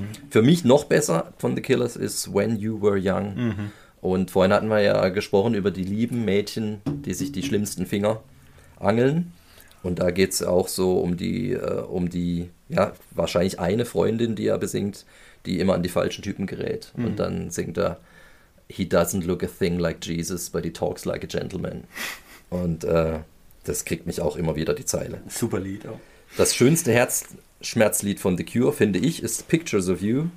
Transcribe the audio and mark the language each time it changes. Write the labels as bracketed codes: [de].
[de] Für mich noch besser von The Killers ist When You Were Young. Und vorhin hatten wir ja gesprochen über die lieben Mädchen, die sich die schlimmsten Finger angeln. Und da geht es auch so um die, ja, wahrscheinlich eine Freundin, die er besingt, die immer an die falschen Typen gerät. Mhm. Und dann singt er, [en] he doesn't look a thing like Jesus, but he talks like a gentleman. [de] Und das kriegt mich auch immer wieder die Zeile. Super Lied, ja. Das schönste Herzschmerzlied von The Cure, finde ich, ist Pictures of You.